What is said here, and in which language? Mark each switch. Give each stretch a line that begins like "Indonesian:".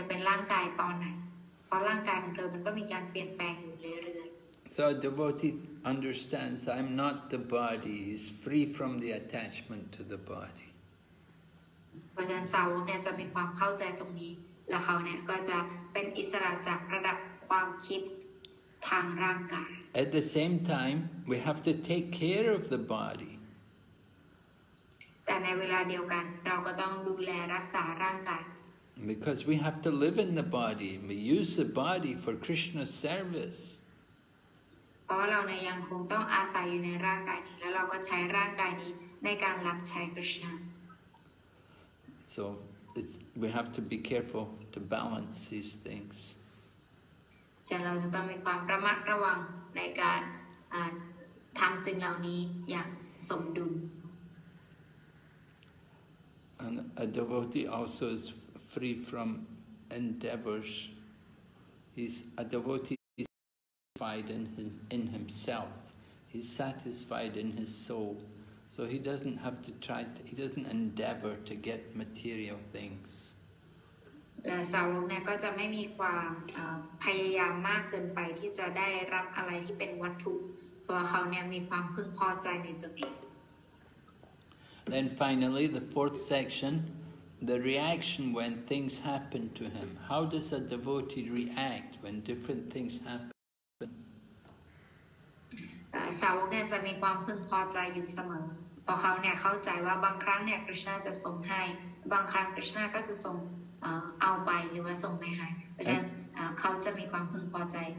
Thai: ร่างกายของเธอมันก็มีการเปลี่ยนแปลงอยู่เรื่อย
English: ๆ So a devotee understands I'm not the body is free from the attachment to the body
Thai: เพราะฉะนั้นสาวกเนี่ยจะมีความเข้าใจตรงนี้และเขาเนี่ยก็จะเป็นอิสระจากระดับความคิดทางร่างกาย
English: At the same time we have to take care of the body
Thai: แต่ในเวลาเดียวกันเราก็ต้องดูแลรักษาร่างกาย
English: Because we have to live in the body, we use the body for Krishna's service.
Thai: เพราะเราเนี่ยยังคงต้องอาศัยอยู่ในร่างกายนี้แล้วเราก็ใช้ร่างกายนี้ในการรับใช้ Krishna.
English: So we have to be careful to balance these things.
Thai: ฉะนั้นเราจะต้องมีความระมัดระวังในการทำสิ่งเหล่านี้อย่างสมดุล
English: And a devotee also is free from endeavors. He's a devotee is satisfied in himself. He's satisfied in his soul. So he doesn't have to try, to, he doesn't endeavor to get material things.
Thai: สาวกเนี่ยก็จะไม่มีความพยายามมากเกินไปที่จะได้รับอะไรที่เป็นวัตถุตัวเขาเนี่ยมีความพึงพอใจในตัวเอง
English: Then finally, the fourth section, the reaction when things happen to him. How does a devotee react when different things happen?
Thai: สาวกเนี่ ยจะมีความพึงพอใจอยู่เสมอพอเขาเนี่ยเข้าใจว่าบางครั้งเนี่ยคริชนาจะส่งให้บางครั้งคริชนาก็จะส่งเอาไปหรือว่าส่งไม่ให้เพราะฉะนั้นเขาจะมีความพึงพอใจ